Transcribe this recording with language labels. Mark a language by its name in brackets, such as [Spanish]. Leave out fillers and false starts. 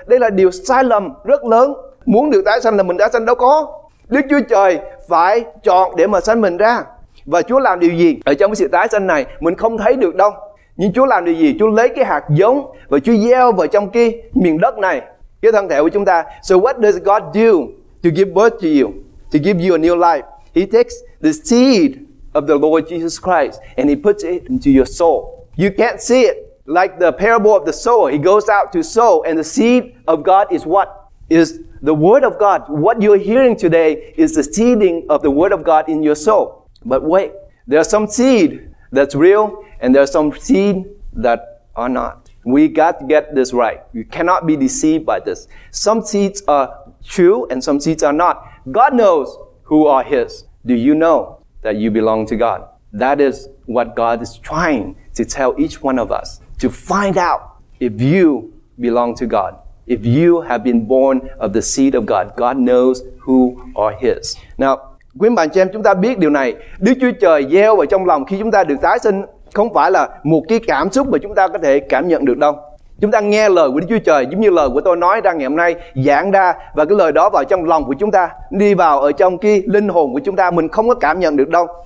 [Vietnamese] Đây là điều sai lầm rất lớn. Muốn được tái sinh là mình đã sanh đâu có. Đức Chúa Trời phải chọn để mà sanh mình ra. Và Chúa làm điều gì ở trong cái sự tái sinh này mình không thấy được đâu. Nhưng Chúa làm điều gì? Chúa lấy cái hạt giống và Chúa gieo vào trong cái miền đất này, cái thân thể của chúng ta. [English] So what does God do to give birth to you, to give you a new life? He takes the seed of the Lord Jesus Christ and he puts it into your soul. You can't see it. Like the parable of the sower, he goes out to sow, and the seed of God is what? Is the word of God. What you're hearing today is the seeding of the word of God in your soul. But wait, there's some seed that's real and there's some seed that are not. We got to get this right. You cannot be deceived by this. Some seeds are true and some seeds are not. God knows who are his. Do you know that you belong to God? That is what God is trying to tell each one of us, to find out if you belong to God. If you have been born of the seed of God, God knows who are his. [Vietnamese] Now, quý bạn chị em, chúng ta biết điều này. Đức Chúa Trời gieo vào trong lòng khi chúng ta được tái sinh không phải là một cái cảm xúc mà chúng ta có thể cảm nhận được đâu. Chúng ta nghe lời của Đức Chúa Trời giống như lời của tôi nói ra ngày hôm nay, giảng ra, và cái lời đó vào trong lòng của chúng ta, đi vào ở trong cái linh hồn của chúng ta, mình không có cảm nhận được đâu.